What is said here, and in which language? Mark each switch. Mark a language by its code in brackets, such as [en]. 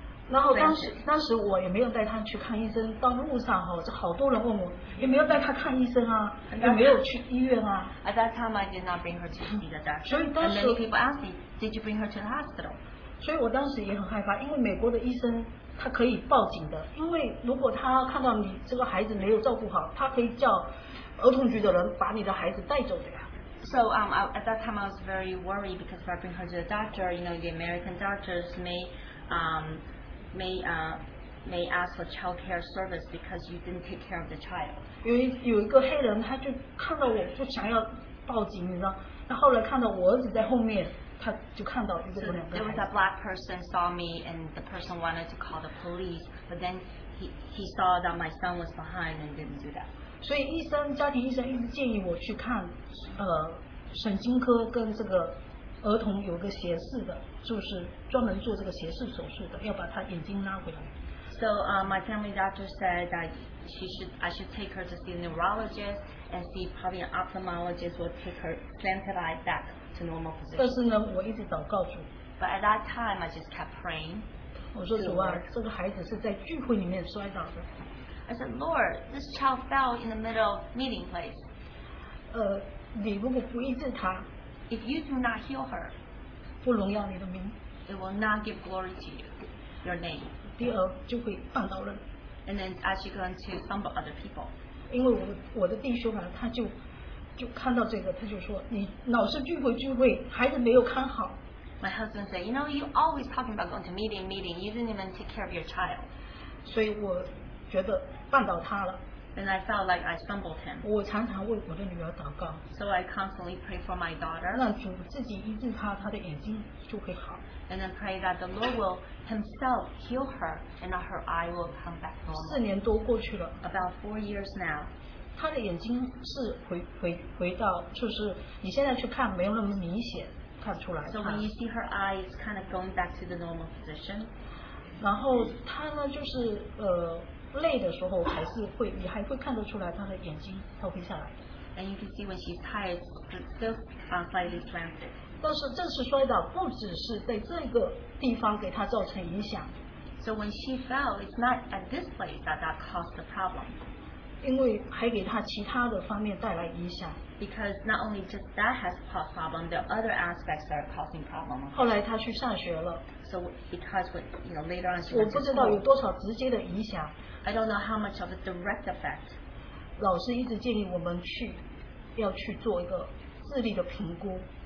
[zh] 然后当时我也没有带她去看医生，到路上哈，就好多人问我，也没有带她看医生啊，也没有去医院啊。 [en] At that time I did not bring her to see the doctor. [zh] 所以当时 [en] and many people asked me, did you bring her to the hospital? [zh] 所以我当时也很害怕，因为美国的医生他可以报警的，因为如果他看到你这个孩子没有照顾好，他可以叫儿童局的人把你的孩子带走的呀。 [en] So at that time I was very worried because if I bring her to the doctor, you know, the American doctors may ask for child care service because you didn't take care of the child. [zh] 有一个黑人他就看到我就想要报警，你知道，他后来看到我儿子在后面。 [en] There was a black person saw me and the person wanted to call the police but then he saw that my son was behind and didn't do that [zh] 所以医生家庭医生一直建议我去看神经科跟这个儿童有个斜视的，就是专门做这个斜视手术的，要把他眼睛拉回来。 [en] So my family doctor said that I should take her to see a neurologist and see probably an ophthalmologist will take her slanted eye back to normal position. [zh] 但是呢，我一直祷告主。 [en] But at that time, I just kept praying. [zh] 我说主啊，这个孩子是在聚会里面摔倒的。 [en] I said, Lord, this child fell in the middle of meeting place. [zh] 你如果不医治他 [en] ，If you do not heal her, [zh] 不荣耀你的名 [en] ，It will not give glory to you, your name. [zh] 第二就会绊倒人。 [en] And then actually going to stumble other people. [zh] 因为我的弟兄啊，他就看到这个，他就说，你老是聚会，孩子没有看好。 [en] My husband said, you know, you always talking about going to meeting, you didn't even take care of your child. [zh] 所以我觉得绊倒他了。 [en] And I felt like I stumbled him. [zh] 我常常为我的女儿祷告。 [en] So I constantly pray for my daughter. [zh] 让主自己医治她，她的眼睛就会好。 [en] And then pray that the Lord will himself heal her and that her eye will come back normal. [zh] 四年多过去了。 [en] About 4 years now. [zh] 她的眼睛是回到，就是你现在去看没有那么明显。 [en] So when you see her eyes kind of going back to the normal position, [zh] 然后她呢就是累的时候还是会，你还会看得出来她的眼睛飘飞下来。 [en] And you can see when she's tired, still slightly slanted. [zh] 但是这次摔倒不只是在这个地方给她造成影响。 [en] So when she fell, it's not at this place that caused the problem. [zh] 因为还给她其他的方面带来影响。 [en] Because not only just that has caused problem, there are other aspects that are causing problem. [zh] 后来他去上学了。 [en] So because when, you know, later on, [zh] 我不知道有多少直接的影响。 [en] I don't know how much of a direct effect. [zh] 老师一直建议我们去，要去做一个智力的评估。